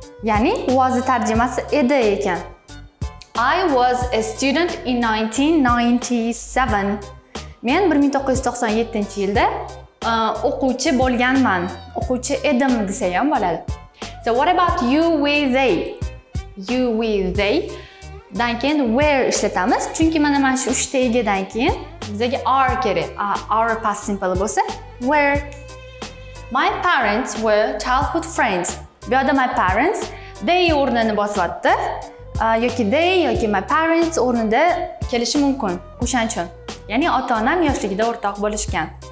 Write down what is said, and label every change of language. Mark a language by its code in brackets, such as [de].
[uz] Ya'ni was tarjimasi edi ekan. [en] I was a student in 1997. [uz] Men 1997-yilda o'quvchi bo'lganman. O'quvchi edim desa ham bo'ladi. [en] So what about you, we, they? You, we, they. [uz] Dan keyin where ishlatamiz, chunki mana mana shu 3 ta egadan keyin bizga are kerak. [en] Are past simple [uz] bo'lsa, [en] where. My parents were childhood friends. [uz] Bu yerda [en] my parents they [uz] o'rnini bosyapti. Yoki they yoki my parents o'rnida kelishi mumkin. O'shaning uchun. Ya'ni ota-onam yoshligida o'rtoq bo'lishgan.